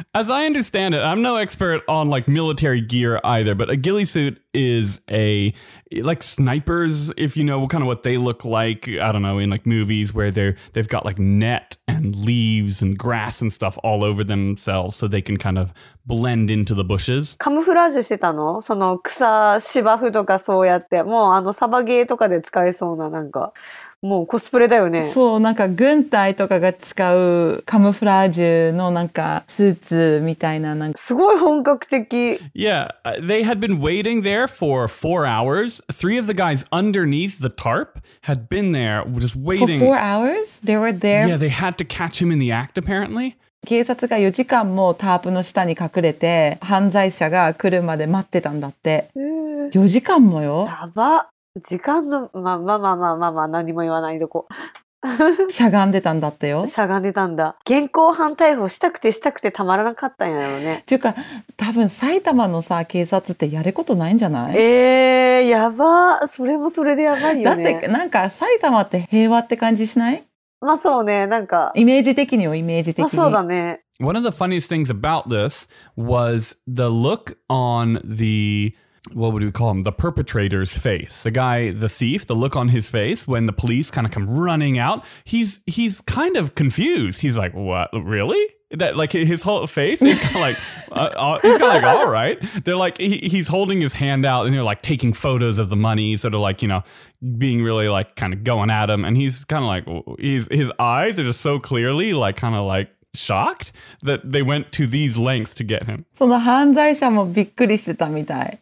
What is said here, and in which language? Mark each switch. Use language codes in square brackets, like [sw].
[en] As I understand it, I'm no expert on like military gear either, but a ghillie suit is a, like snipers, if you know kind of what they look like, I don't know, in like movies where they've got like net and leaves and grass and stuff all over themselves so they can kind of blend into the bushes. [ja] Camouflage してたの？その草、芝生とかそうやって、もうあのサバゲーとかで使えそうななんか。もうコスプレだよね。そう、なんか軍隊とかが使うカムフラージュのなんかスーツみたいな、なんかすごい本格的。 [en] Yeah, they had been waiting there for 4 hours. Three of the guys underneath the tarp had been there just waiting. For 4 hours? They were there? Yeah, they had to catch him in the act apparently. [ja] 警察が4時間もタープの下に隠れて犯罪者が来るまで待ってたんだって。うーん、 4時間もよ。やば。時間の、まあ何も言わないどこ。しゃがんでたんだってよ。しゃがんでたんだ。現行犯逮捕したくてしたくてたまらなかったんやろね。ていうか、多分埼玉のさ、警察ってやることないんじゃない？やば。それもそれでやばいよね。だって、なんか埼玉って平和って感じしない？まあそうね、なんか。イメージ的にをイメージ的に。まあそうだね。 [en] One of the funniest things about this was the look on the, what would we call him, the perpetrator's face. The guy, the thief, the look on his face when the police kind of come running out. He's kind of confused. He's like, what, really? That, like, his whole face is kind of like, he's kind of like, all right. They're like, he's holding his hand out and they're like taking photos of the money, sort of like, you know, being really like kind of going at him. And he's kind of like, his eyes are just so clearly like kind of like shocked that they went to these lengths to get him. [ja] その犯罪者もびっくりしてたみたい。